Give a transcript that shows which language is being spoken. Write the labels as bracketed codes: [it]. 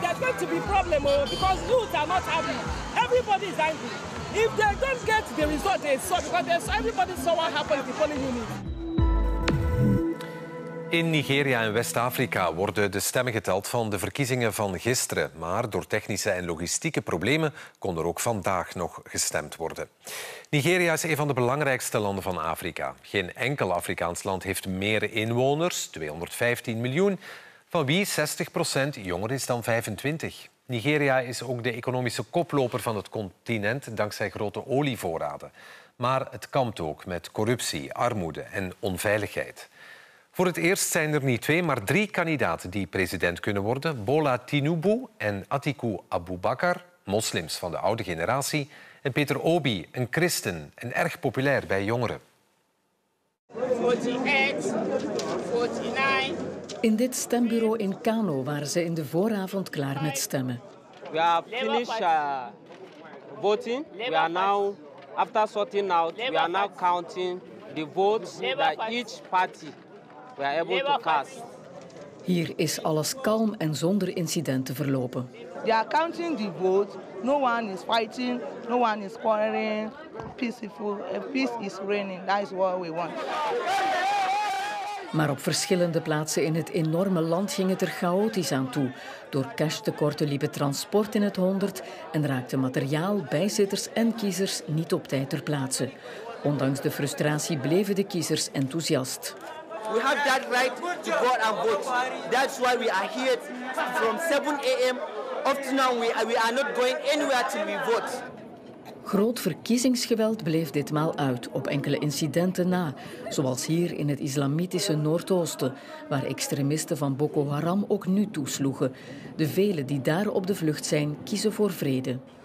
[en] There's going to be problem, because youth are not happy. Everybody is angry. If they don't get the result they saw, because everybody saw what happened before the union. [nl] In Nigeria en West-Afrika worden de stemmen geteld van de verkiezingen van gisteren. Maar door technische en logistieke problemen kon er ook vandaag nog gestemd worden. Nigeria is een van de belangrijkste landen van Afrika. Geen enkel Afrikaans land heeft meer inwoners, 215 miljoen, van wie 60% jonger is dan 25. Nigeria is ook de economische koploper van het continent dankzij grote olievoorraden. Maar het kampt ook met corruptie, armoede en onveiligheid. Voor het eerst zijn er niet 2, maar 3 kandidaten die president kunnen worden. Bola Tinubu en Atiku Abubakar, moslims van de oude generatie. En Peter Obi, een christen en erg populair bij jongeren. [en] 48, 49. [nl] In dit stembureau in Kano waren ze in de vooravond klaar met stemmen. [en] We have finished voting. We are now, after sorting out, we are now counting the votes by each party. We are able to cast. [nl] Hier is alles kalm en zonder incidenten verlopen. [en] They are counting the votes. No one is fighting, no one is quarreling. peaceful. Peace is reigning. That is what we want. [nl] Maar op verschillende plaatsen in het enorme land ging het er chaotisch aan toe. Door cashtekorten liep het transport in het honderd en raakte materiaal, bijzitters en kiezers niet op tijd ter plaatse. Ondanks de frustratie bleven de kiezers enthousiast. [en] We have that right to go out and vote. That's why we are here from 7 a.m. up to now. We are not going anywhere till we vote. [nl] Groot verkiezingsgeweld bleef ditmaal uit op enkele incidenten na, zoals hier in het islamitische Noordoosten, waar extremisten van Boko Haram ook nu toesloegen. De velen die daar op de vlucht zijn, kiezen voor vrede.